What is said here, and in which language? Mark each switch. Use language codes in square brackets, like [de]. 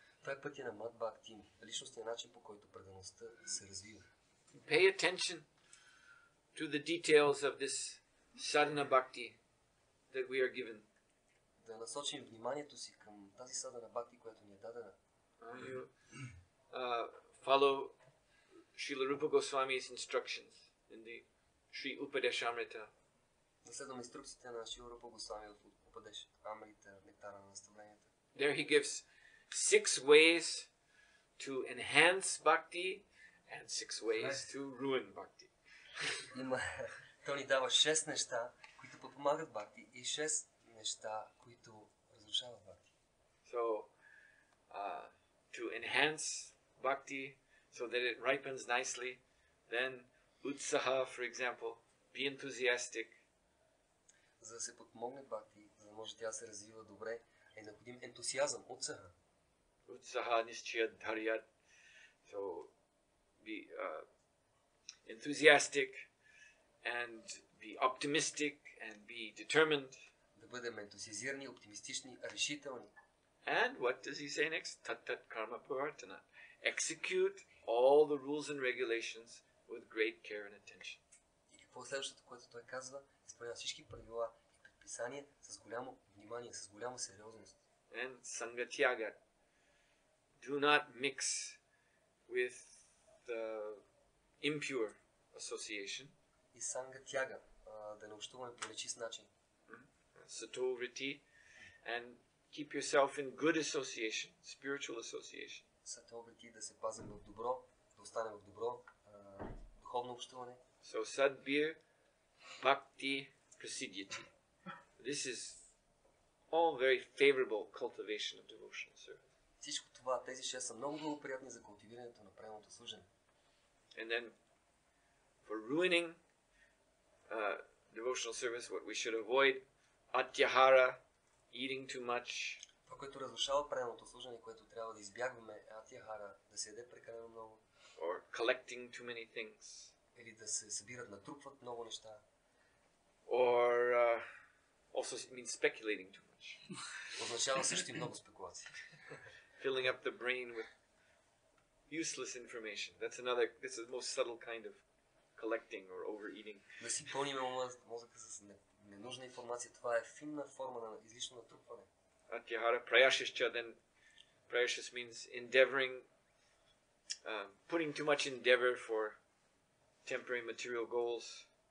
[bg] Това е пътя на mud bhakti, личностният начин, по който предаността се развива. [en] Pay attention to the details of this sadhana bhakti that we are given. [bg] Да насочим вниманието си към тази sadhana bhakti, която ни е дадена. [en] You follow Srila Rupa Goswami's instructions in the Sri Upadeshamrita. [bg] Следвам инструкциите на Шрила Рупа Госвами в Упадешамрита, нектара на наставленията. [en] There he gives 6 ways to enhance bhakti and 6 ways to ruin bhakti. [bg] Той ни дава 6 неща, които подпомагат бхакти и 6 неща, които разрушават бхакти. [en] So, to enhance bhakti so that it ripens nicely, then utsaha, for example, be enthusiastic. [bg] За да се подмогне бхакти, за да може тя да се развива добре, е необходим ентусиазъм, утсаха. [sa] Утсаха нисчия дарият. [en] So, be enthusiastic, and be optimistic, and be determined. [bg] Да бъдем ентусиазирани, оптимистични, решителни. [en] And what does he say next? [sa] Tat-tat karma purvartana. [en] Execute all the rules and regulations with great care and attention. [bg] И какво е следващото, което той казва? Изпълнява всички правила писание с голямо внимание, с голяма сериозност. [en] And sangatyaga. Do not mix with the impure association. [bg] И sangatyaga, да не общуваме по нечист начин. [sa] Sato vritti. [en] And keep yourself in good association, spiritual association. [sa] Sato vritti, [bg] да се пазим в добро, да останем в добро духовно общуване. [sa] So sadbir bhakti prasidyati. [en] This is all very favorable cultivation of devotional service. [bg] Всичко това, тези 6 са много благоприятни за култивирането на правилното служене. [en] And then for ruining devotional service, what we should avoid, atyahara, eating too much. [bg] Това, което разрушава правилното служене, което трябва да избягваме, е атяхара, да се яде прекалено много. [en] Or collecting too many things. [bg] Или да се събират, натрупват много неща. [en] Or also means speculating too much. [bg] Означава също и много спекулации. [en] Filling up the brain with useless information. That's another, this is the most subtle kind of collecting or overeating. [bg] Да си пълним мозъка с ненужна информация. Това е финна форма на излишно натрупване. [en] Атяхара праяшища, then праяшис means endeavoring, putting too much endeavor for temporary material goals.